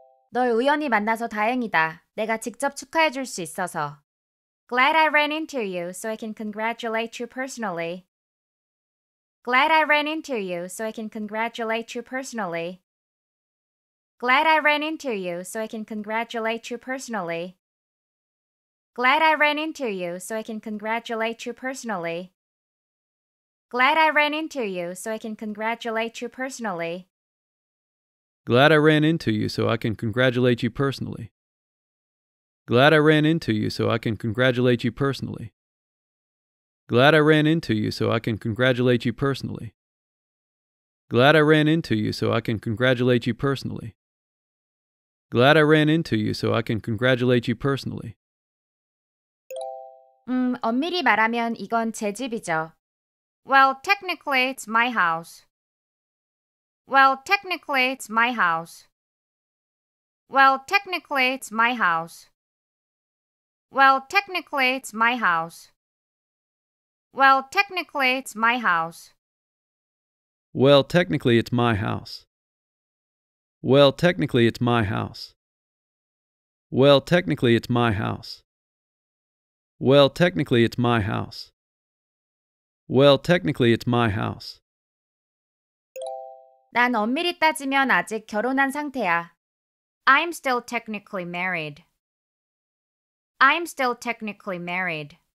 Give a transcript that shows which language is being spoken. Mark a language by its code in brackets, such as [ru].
[ko] 널 우연히 만나서 다행이다. 내가 직접 축하해 줄 수 있어서. [en] Glad I ran into you so I can congratulate you personally. Glad I ran into you so I can congratulate you personally. Glad I ran into you so I can congratulate you personally. Glad I ran into you so I can congratulate you personally. Glad I ran into you so I can congratulate you personally. Glad I ran into you so I can congratulate you personally. Glad I ran into you so I can congratulate you personally. Glad I ran into you so I can congratulate you personally. Glad I ran into you so I can congratulate you personally. Glad I ran into you so I can congratulate you personally. [ko] 엄밀히 말하면 이건 제 집이죠. [en] Well, technically, it's my house. Well, technically, it's my house. Well, technically, it's my house. Well, technically, it's my house. Well, technically, it's my house. Well, technically, it's my house. Well, technically, it's my house. Well, technically, it's my house. Well, technically, it's my house. Well, technically, it's my house. [ko] 난 엄밀히 따지면 아직 결혼한 상태야. [en] I'm still technically married. I'm still technically married.